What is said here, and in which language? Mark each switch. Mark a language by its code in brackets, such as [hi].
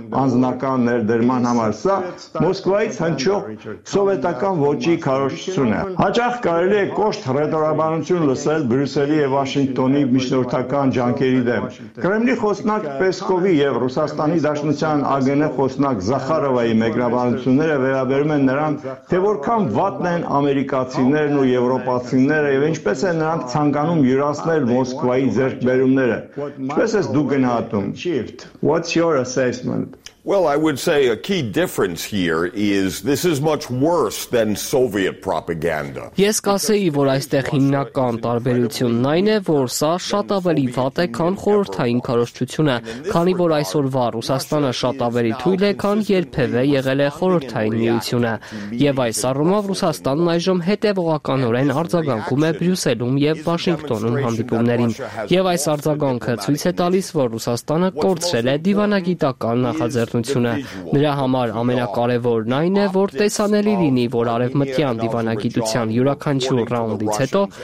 [hy] անձնական ներդրման համար։ Սա Մոսկվայից հնչող սովետական ոճի քարոշցություն է։ Հաճախ կարելի է կոշտ ռետորաբանություն լսել Բրյուսելի և Վաշինգտոնի միջնորդական ջանքերի դեմ։ Կրեմլի խոսնակ Պեսկովի և Ռուսաստանի Դաշնության ԱԳՆ խոսնակ Զախարովայի մեկնաբանությունները վերաբերում են նրան, թե որքան վատն են ամերիկացիներն ու եվրոպացիները և ինչպես են նրանք ցանկանում յուրացնել Մոսկվայի ձեռքբերումները։ Ինչպես ես դու գնահատում? [en] What's your assessment? Well, I would say a key difference here is this is much worse than Soviet propaganda. [hy] Ես կասեի, որ այստեղ հիմնական տարբերությունն այն է, որ սա շատ ավելի վատ է, քան խորհրդային քարոշչությունը, քանի որ այսօրվա Ռուսաստանը շատ ավելի թույլ է, քան երբևէ եղել է խորհրդային միությունը, եւ այս առումով Ռուսաստանն այժմ հետևողականորեն արձագանքում է Բրյուսելում եւ Վաշինգտոնում հանդիպումներին, եւ այս արձագանքը ցույց է տալիս, որ Ռուսաստանը կորցրել է դիվանագիտական նախաձեռնությունը։ Նրա համար ամենակարևորն այն է, որ տեսանելի լինի, որ արևմտյան դիվանագիտության յուրաքանչյուր ռաունդից հետո